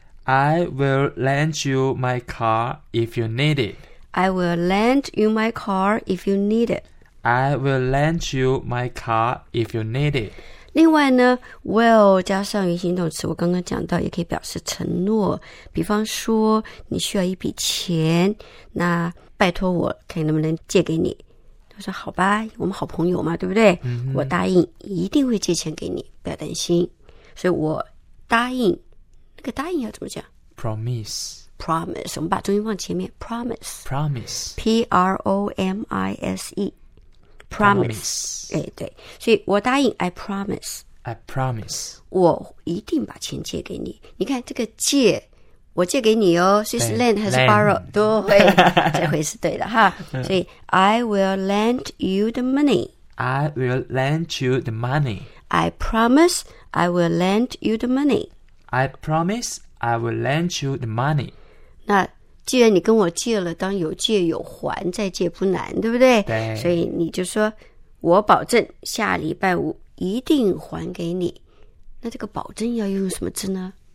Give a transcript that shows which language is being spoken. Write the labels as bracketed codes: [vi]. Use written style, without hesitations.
[en] I will lend you my car if you need it, I will lend you my car if you need it, I will lend you my car if you need it。 [zh] 另外呢 will 加上原形动词，我刚刚讲到也可以表示承诺，比方说你需要一笔钱，那拜托我看能不能借给你，我说好吧，我们好朋友嘛，对不对、我答应一定会借钱给你，不要担心。所以我答应，那个答应要怎么讲？ [en] promise [zh] promise， 我们把重音放前面， promise [en] promise P-R-O-M-I-S-EPromise, [zh] 哎对，所以我答应 [en] ，I promise, I promise, [zh] 我一定把钱借给你。你看这个借，我借给你哦，所以是 lend 还是 borrow 都会，这回是对的哈。 [en] 所以 I will lend you the money, I will lend you the money, I promise I will lend you the money, I promise I will lend you the money。 [zh] 那既然你跟我借了，当有借有还，再借不难，对不对？对。所以你就说，我保证下礼拜五一定还给你。那这个保证要用什么字呢？